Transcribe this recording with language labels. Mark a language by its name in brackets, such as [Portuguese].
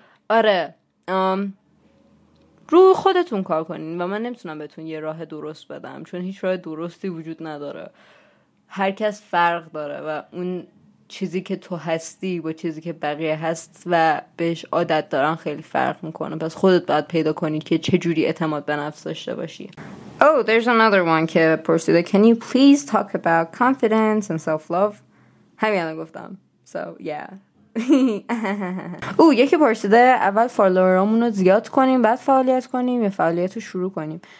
[Persian] آره، رو خودتون کار کنین و من نمیتونم بهتون یه راه درست بدم، چون هیچ راه درستی وجود نداره. هر کس فرق داره و اون چیزی که تو هستی با چیزی که بقیه هست و بهش عادت دارن خیلی فرق میکنه. پس خودت باید پیدا کنی که چه جوری اعتماد به نفس داشته باشی. [English] Oh, there's another one [Persian] که پرسیده، [English] can you please talk about confidence and self-love. [Persian] همینه گفتم. [English] So, yeah. [Persian] اوه، یکی پرسیده اول فالوورامون رو زیاد کنیم بعد فعالیت کنیم یا فعالیت رو شروع کنیم.